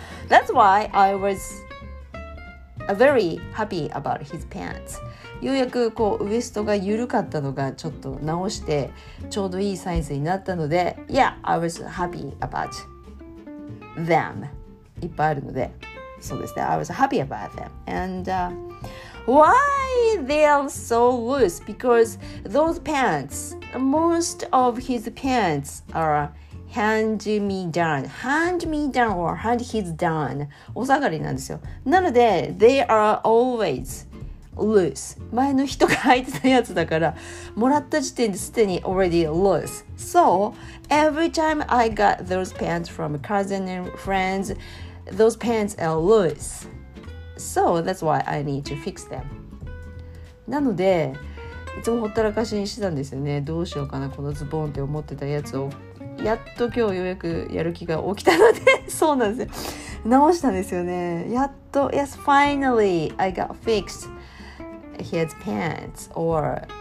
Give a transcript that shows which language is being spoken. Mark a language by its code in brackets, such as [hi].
[en] That's why I was very happy about his pants. [ja] ようやくこうウエストが緩かったのがちょっと直してちょうどいいサイズになったので [en] Yeah, I was happy about them. [ja] いっぱいあるのでそうですね [en] I was happy about them. And why they are so loose? Because those pants, most of his pants are hand-me-down. Hand-me-down or hand-his-down. [ja] お下がりなんですよ。なので [en] they are always... loose. [ja] 前の人が履いてたやつだからもらった時点ですでに [en] already loose. So, every time I got those pants from a cousin and friends, those pants are loose. So, that's why I need to fix them. [ja] なのでいつもほったらかしにしてたんですよね。どうしようかなこのズボンって思ってたやつをやっと今日ようやくやる気が起きたのでそうなんですよ。直したんですよね。やっと [en] Yes, finally I got fixedhis pants or